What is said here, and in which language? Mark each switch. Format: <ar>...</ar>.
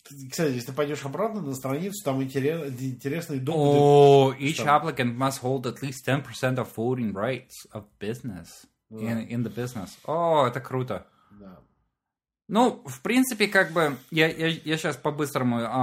<ru>Кстати, если ты пойдешь обратно на страницу, там интересный доклад.</ru> <en>Each applicant must hold at least 10% of voting rights of business in the business.</en> <ru>О, это круто. Да. Ну, в принципе, как бы, я сейчас по-быстрому</ru>